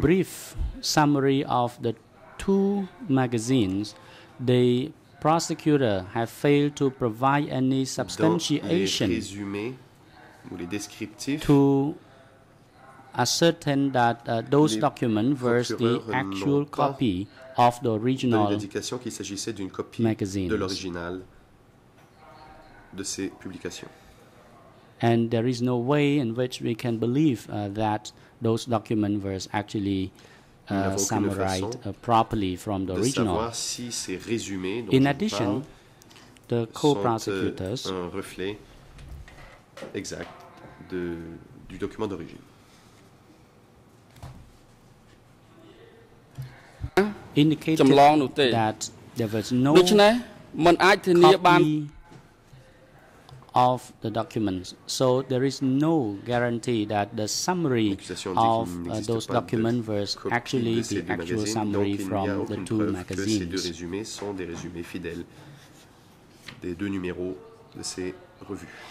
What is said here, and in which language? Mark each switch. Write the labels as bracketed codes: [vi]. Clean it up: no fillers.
[en] Brief summary of the two magazines, the prosecutor have failed to provide any substantiation [fr] les résumés, ou les descriptifs, [en] to ascertain that those documents were the actual copy of the original [fr] qu'il s'agissait d'une copie [en] magazines. [fr] De l'original de ces publications. [en] And there is no way in which we can believe that those documents were actually summarized properly from the original. [fr] Si ces résumés dont [en] in addition, the co-prosecutors [fr] un reflet exact de, du document d'origine. [en] Indicated that there was no copy of the documents, so there is no guarantee that the summary of those documents were actually the actual summary from the two magazines. [fr] Ces deux résumés sont des résumés fidèles des deux numéros de ces revues.